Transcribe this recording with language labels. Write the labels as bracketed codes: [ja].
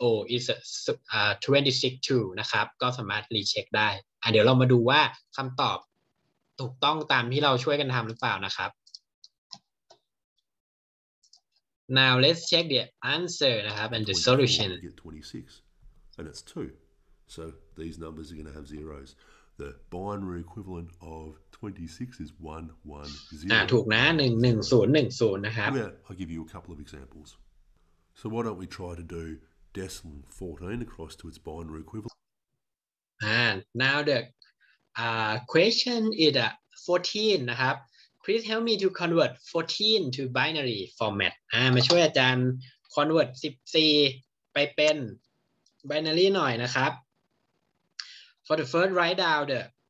[en] 11010 is 26 too [th] นะครับก็สามารถ recheck ได้เดี๋ยวเรามาดูว่าคำตอบถูกต้องตามที่เราช่วยกันทำหรือเปล่านะครับ [en] Now let's check the answer นะครับ and the solution 26 and it's 2 so these numbers are going to have zeros the binary equivalent of 26 is 110 [th] ถูกนะ11010นะครับ [en] I'll give you a couple of examples so why don't we try to do decimal 14 across to its binary equivalent And now the question is 14นะครับ Please help me to convert 14 to binary format [th] มาช่วยอาจารย์ convert 14ไปเป็น binary หน่อยนะครับ [en] For the first write down the